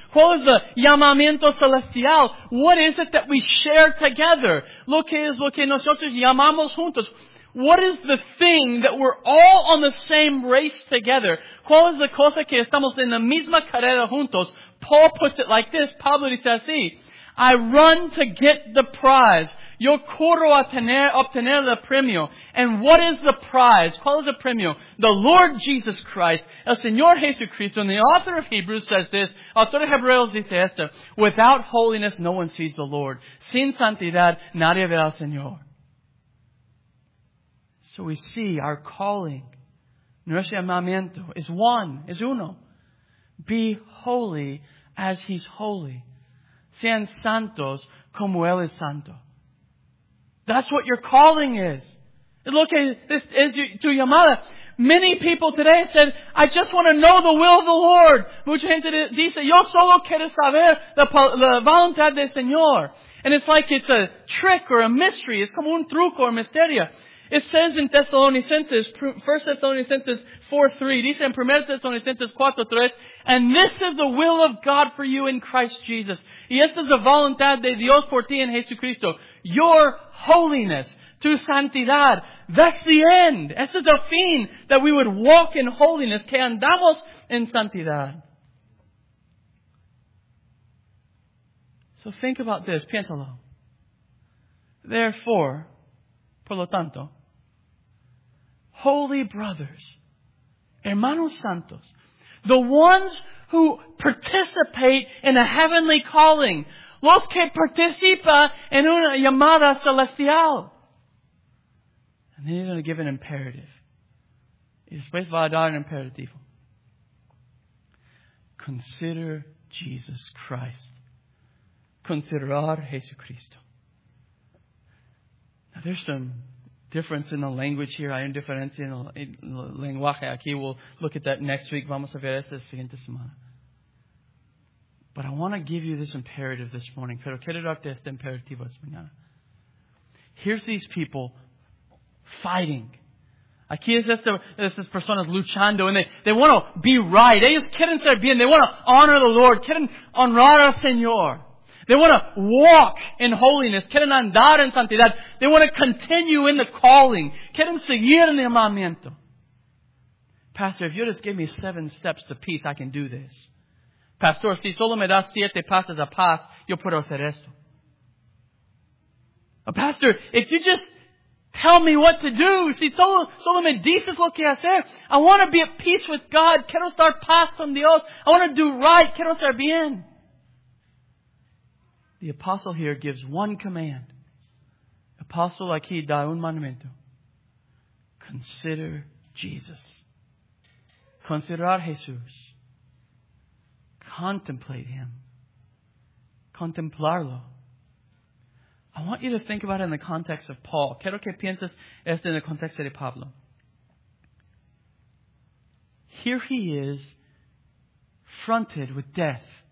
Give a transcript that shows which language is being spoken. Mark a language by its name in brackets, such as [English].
[Spanish] ¿Cuál es el llamamiento celestial? [English] What is it that we share together? [Spanish] Lo que es lo que nosotros llamamos juntos. [English] What is the thing that we're all on the same race together? [Spanish] ¿Cuál es la cosa que estamos en la misma carrera juntos? [English] Paul puts it like this, [Spanish] Pablo dice así, [English] I run to get the prize. [Spanish] Yo corro a obtener el premio. [English] And what is the prize? [Spanish] ¿Cuál es el premio? [English] The Lord Jesus Christ, [Spanish] el Señor Jesucristo. [English] And the author of Hebrews says this, author of [Spanish] Hebreos dice esto, [English] without holiness no one sees the Lord. [Spanish] Sin santidad nadie verá al Señor. [English] So we see our calling, [Spanish] nuestro llamamiento, [English] is one, is uno. Be holy as He's holy. [Spanish] Sean santos como Él es santo. [English] That's what your calling is. Look, this is [Spanish] tu llamada. [English] Many people today said, I just want to know the will of the Lord. [Spanish] Mucha gente dice, yo solo quiero saber la voluntad del Señor. [English] And it's like it's a trick or a mystery. It's [Spanish] como un truco [English] or misterio. It says in Thessalonians, 1 Thessalonians 4:3, [Spanish] dice en 1 Thessalonians 4:3, [English] and this is the will of God for you in Christ Jesus. [Spanish] Y esta es la voluntad de Dios por ti en Jesucristo. [English] Your holiness, [Spanish] tu santidad, [English] that's the end. [Spanish] Esta es el fin, [English] that we would walk in holiness, [Spanish] que andamos en santidad. [English] So think about this, [Spanish] piénsalo. [English] Therefore, [Spanish] por lo tanto, [English] holy brothers, [Spanish] hermanos santos, [English] the ones who participate in a heavenly calling, [Spanish] los que participan en una llamada celestial. [English] And then he's going to give an imperative. [Spanish] Y después va a dar un imperativo. [English] Consider Jesus Christ. [Spanish] Considerar Jesucristo. [English] Now there's some difference in the language here. [Spanish] Hay una diferencia en el lenguaje aquí. [English] We'll look at that next week. [Spanish] Vamos a ver esta siguiente semana. [English] But I want to give you this imperative this morning. [Spanish] Pero quiero darte este imperativo esta mañana. [English] Here's these people fighting. [Spanish] Aquí es estas personas luchando. [English] And they want to be right. [Spanish] Ellos quieren ser bien. [English] They want to honor the Lord. [Spanish] Quieren honrar al Señor. [English] They want to walk in holiness. [Spanish] Quieren andar en santidad. [English] They want to continue in the calling. [Spanish] Quieren seguir en el llamamiento. [English] Pastor, if you just give me 7 steps to peace, I can do this. [Spanish] Pastor, si solo me das 7 pasos a paz, yo puedo hacer esto. [English] Pastor, if you just tell me what to do, [Spanish] si solo me dices lo que hacer, [English] I want to be at peace with God. [Spanish] Quiero estar paz con Dios. [English] I want to do right. [Spanish] Quiero estar bien. [English] The apostle here gives one command. [Spanish] Apostle aquí da un mandamiento. [English] Consider Jesus. [Spanish] Considerar Jesús. [English] Contemplate Him. [Spanish] Contemplarlo. [English] I want you to think about it in the context of Paul. [Spanish] Quiero que pienses esto en el contexto de Pablo. [English] Here he is, fronted with death.